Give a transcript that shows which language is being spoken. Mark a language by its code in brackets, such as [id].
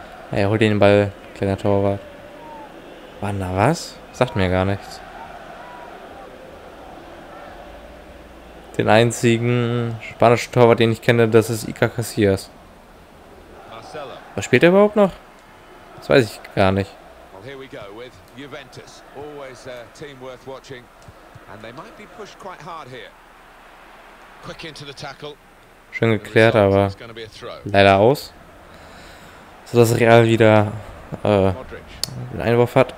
[de] Naja, hol den Ball, kleiner Torwart. Wann da was? Sagt mir gar nichts. den einzigen spanischen Torwart, den ich kenne, das ist Iker Casillas. Was spielt er überhaupt noch? Das weiß ich gar nicht. [en] Well, here we go with Juventus. Always a team worth watching. And they might be pushed quite hard here. Quick into the tackle. [de] Schön geklärt, aber leider aus. So dass Real wieder den Einwurf hat.